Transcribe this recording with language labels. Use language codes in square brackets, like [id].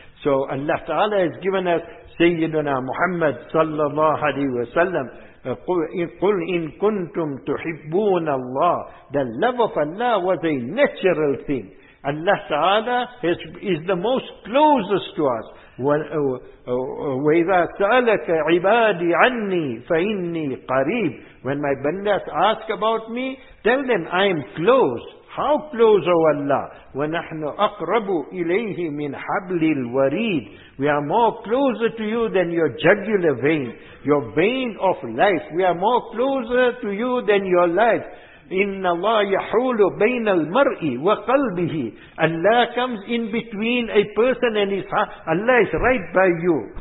[en] So Allah Ta'ala has given us Sayyiduna Muhammad sallallahu alayhi wa sallam, [ar] قُلْ إِن كُنْتُمْ تُحِبُّونَ اللَّهِ. [en] The love of Allah was a natural thing. Allah Ta'ala is the most closest to us. [ar] وإذا سألك عبادي عني فإني قريب. [en] When my bandas ask about me, tell them I am close. How close, O Allah? [ar] ونحن أقرب إليه من حبل الوريد. [en] We are more closer to you than your jugular vein, your vein of life. We are more closer to you than your life. [ar] إِنَّ اللَّهَ يَحُولُ بَيْنَ الْمَرْءِ وَقَلْبِهِ. [en] Allah comes in between a person and his heart. Allah is right by you.